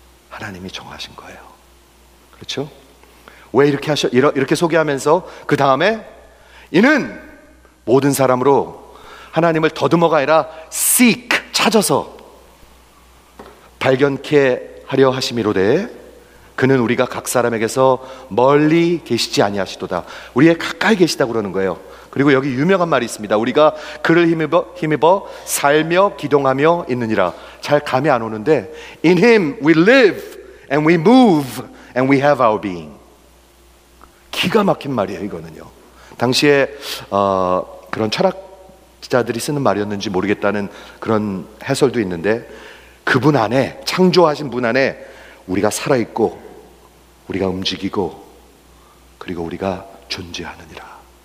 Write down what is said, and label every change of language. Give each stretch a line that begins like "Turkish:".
Korean: 하나님이 정하신 거예요. 그렇죠? 왜 이렇게 이렇게 소개하면서 그 다음에 이는 모든 사람으로 하나님을 더듬어가 아니라 seek, 찾아서 발견케 하려 하심이로되 그는 우리가 각 사람에게서 멀리 계시지 아니하시도다. 우리의 가까이 계시다고 그러는 거예요. 그리고 여기 유명한 말이 있습니다. 우리가 그를 힘입어 살며 기동하며 있느니라. 잘 감이 안 오는데
English: In him we live and we move and we have our being.
Korean: 기가 막힌 말이에요. 이거는요. 당시에 그런 철학자들이 쓰는 말이었는지 모르겠다는 그런 해설도 있는데 그분 안에 창조하신 분 안에 우리가 살아있고 우리가 움직이고 그리고 우리가 존재하느니라.